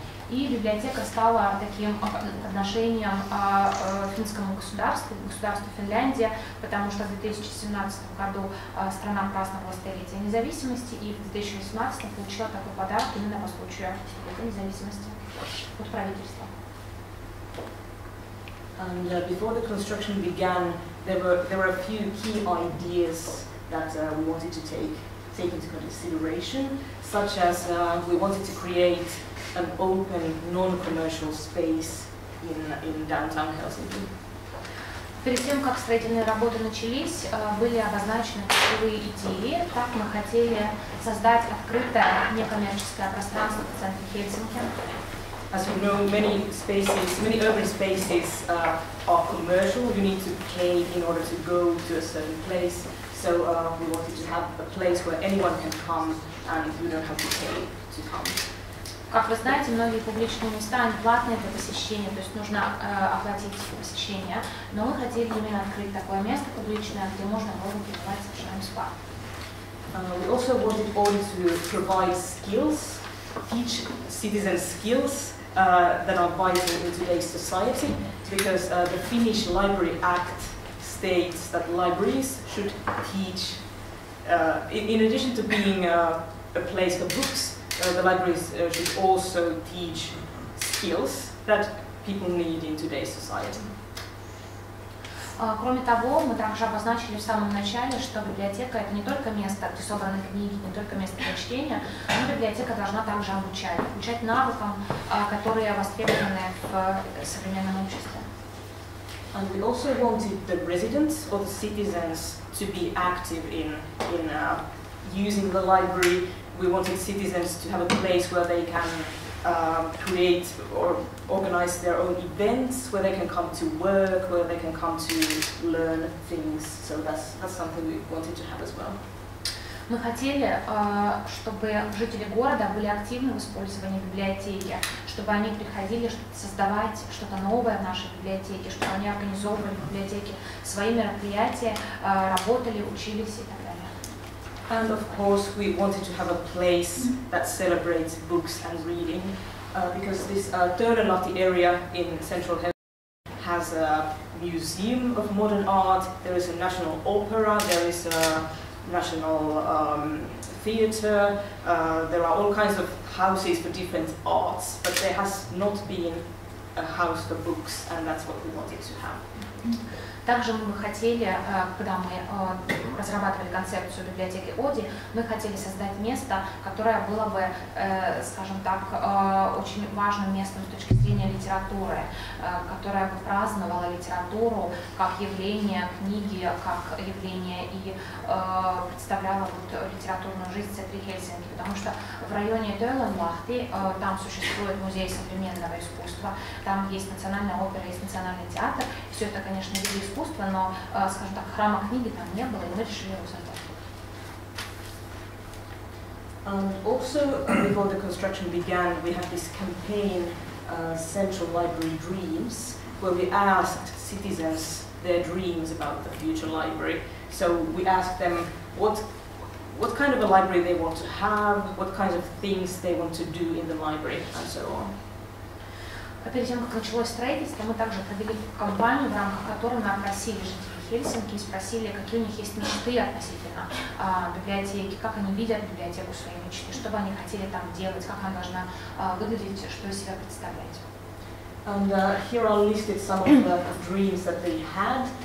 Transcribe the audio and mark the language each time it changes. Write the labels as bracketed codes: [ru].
[ru] И библиотека стала таким отношением финскому государству, государству Финляндия, потому что в 2017 году страна праздновала столетие независимости и в 2018 получила такой подарок именно по случаю столетия независимости от правительства. [en] And before the construction began, there were a few key ideas that we wanted to take into consideration, such as we wanted to create an open, non-commercial space in downtown Helsinki. [ru] Перед тем, как строительные работы начались, были обозначены ключевые идеи. Так мы хотели создать открытое некоммерческое пространство в центре Хельсинки. [en] As you know, many urban spaces are commercial. You need to pay in order to go to a certain place. So we wanted to have a place where anyone can come and you don't have to pay to come. [ru] Как вы знаете, многие публичные места они платные для посещения, то есть нужно оплатить посещение. Но мы хотели именно открыть такое место публичное, где можно было бы давать совершенно бесплатно. [en] We also wanted Oodi to provide skills, teach citizens skills that are vital in today's society, because the Finnish Library Act states that libraries should teach. In addition to being a place for books, the libraries should also teach skills that people need in today's society. [ru] Кроме того, мы также обозначили в самом начале, что библиотека – это не только место, где собраны книги, не только место для чтения, но библиотека должна также обучать навыкам, которые востребованы в современном обществе. [en] And we also wanted the residents or the citizens to be active in using the library. We wanted citizens to have a place where they can create or organize their own events, where they can come to work, where they can come to learn things. So that's something we wanted to have as well. [ru] Мы хотели, чтобы жители города были активны в использовании библиотеки, чтобы они приходили создавать что-то новое в нашей библиотеке, чтобы они организовывали в библиотеке свои мероприятия, работали, учились и так далее. [en] And of course, we wanted to have a place that celebrates books and reading, because this third and lofty area in central Helsinki has a museum of modern art. There is a national opera. There is a national theater. There are all kinds of houses for different arts, but there has not been a house for books, and that's what we wanted to have. [ru] Также мы бы хотели, когда мы разрабатывали концепцию библиотеки Oodi, мы хотели создать место, которое было бы, скажем так, очень важным местом с точки зрения литературы, которое бы праздновало литературу как явление книги, как явление и представляло вот литературную жизнь в центре Хельсинки. Потому что в районе Дойланлахты там существует музей современного искусства, там есть национальная опера, есть национальный театр. Все это, конечно, виды искусства, но, скажем так, храма книги там не было, и мы решили его создать. [en] And also, before the construction began, we had this campaign, Central Library Dreams, where we asked citizens their dreams about the future library. So we asked them what kind of a library they want to have, what kinds of things they want to do in the library, and so on. [ru] Перед тем, как началось строительство, мы также провели кампанию, в рамках которой мы опросили жителей Хельсинки и спросили, какие у них есть мечты относительно библиотеки, как они видят библиотеку своей мечты, что бы они хотели там делать, как она должна выглядеть, что из себя представлять. [en] And here are listed some of the dreams that they had.